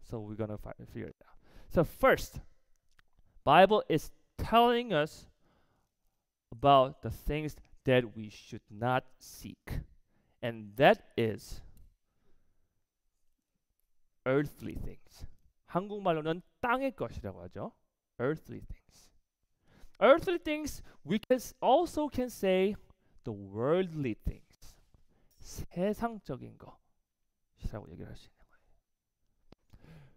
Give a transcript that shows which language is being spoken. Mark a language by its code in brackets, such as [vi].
[en] So we're going to figure it out. So first, Bible is telling us about the things that we should not seek, and that is earthly things. [ko] 한국말로는 땅의 것이라고 하죠. [en] Earthly things. Earthly things, we can also can say the worldly things. [ko] 세상적인 것이라고 얘기를 할 수 있는 거예요.